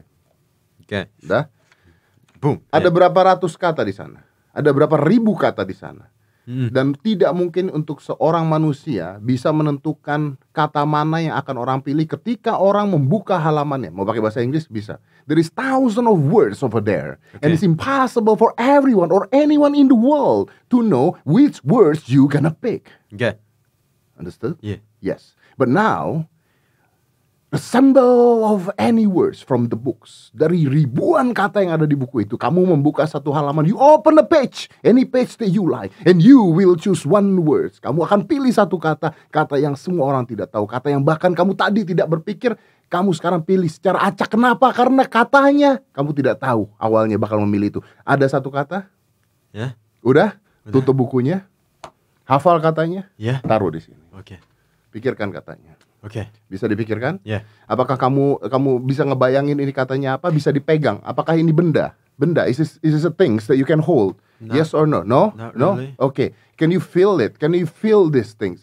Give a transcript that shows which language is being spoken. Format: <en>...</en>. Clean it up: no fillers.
<id>Okay. Oke. Okay. Dah. Boom. Ada berapa ratus kata di sana? Ada berapa ribu kata di sana? Dan tidak mungkin untuk seorang manusia bisa menentukan kata mana yang akan orang pilih ketika orang membuka halamannya. Mau pakai bahasa Inggris bisa.</id> <en>There is thousands of words over there, okay. And it's impossible for everyone or anyone in the world to know which words you gonna pick. Okay. Understood? Yeah. Yes. But now, assemble of any words from the books.</en> <id>Dari ribuan kata yang ada di buku itu, kamu membuka satu halaman.</id> <en>You open a page, any page that you like, and you will choose one word.</en> <id>Kamu akan pilih satu kata, kata yang semua orang tidak tahu, kata yang bahkan kamu tadi tidak berpikir. Kamu sekarang pilih secara acak. Kenapa? Karena katanya kamu tidak tahu awalnya bakal memilih itu. Ada satu kata? Ya. Yeah. Udah? Tutup bukunya. Hafal katanya? Ya. Yeah. Taruh di sini. Oke. Okay. Pikirkan katanya. Oke. Okay. Bisa dipikirkan? Ya. Yeah. Apakah kamu bisa ngebayangin ini katanya apa? Bisa dipegang? Apakah ini benda? Benda?</id> <en>Is this a thing that you can hold? Not, yes or no? No? Not really. No? Okay. Can you feel it? Can you feel these things?</en>